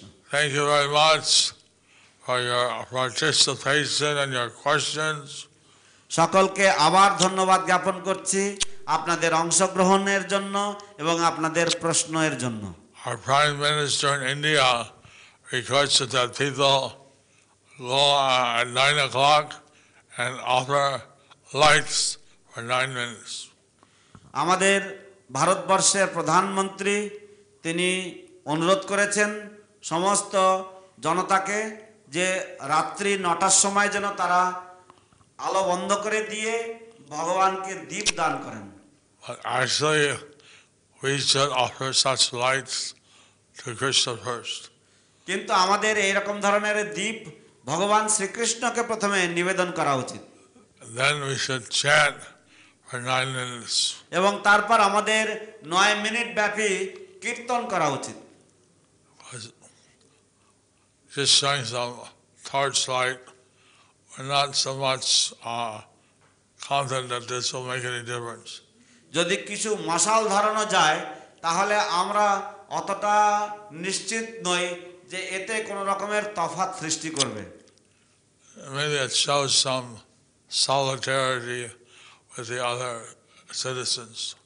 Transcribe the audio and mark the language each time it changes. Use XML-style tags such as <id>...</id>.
<en>Thank you very much for your participation and your questions.</en> <bn>সকলকে আবার ধন্যবাদ জ্ঞাপন করছি আপনাদের অংশগ্রহণের জন্য এবং আপনাদের প্রশ্নের জন্য।</bn> <en>Our Prime Minister in India requested that people go at 9 o'clock and offer lights for 9 minutes.</en> <bn>আমাদের ভারতবর্ষের প্রধানমন্ত্রী তিনি অনুরোধ করেছেন সমস্ত জনতাকে যে রাত্রি 9টার সময় যেন তারা আলো বন্ধ করে দিয়ে ভগবানকে দীপ দান করেন।</bn> <en>Actually, we should offer such lights to Krishna first.</en> <bn>কিন্তু আমাদের এই রকম ধরনের দীপ ভগবান শ্রীকৃষ্ণকে প্রথমে নিবেদন করা উচিত</bn> <en>then we should chant for 9 minutes</en> <bn>এবং তারপর আমাদের 9 মিনিট ব্যাপী কীর্তন করা উচিত</bn> <en>just shines a torch light we're not so much confident that this will make any difference</en> <bn>যদি কিছু মশাল ধরানো যায় তাহলে আমরা অতটা নিশ্চিত নই যে এতে কোন রকমের তফাৎ সৃষ্টি করবে</bn> <en>maybe it shows some solidarity with the other citizens</en>